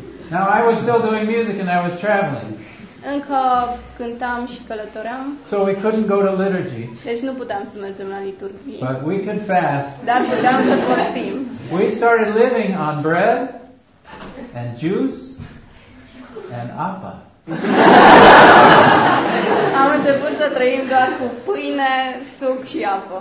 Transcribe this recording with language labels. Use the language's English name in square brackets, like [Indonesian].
[English] Now I was still doing music and I was traveling. [Romanian] Încă cântam și călătoream. [English] So we couldn't go to liturgy. [Romanian] Deci nu puteam să mergem la liturghie. [English] But we could fast. [Romanian] Dar puteam să postim. [English] We started living on bread and juice and apa. [Romanian] Am început să trăim doar cu pâine, suc și apă.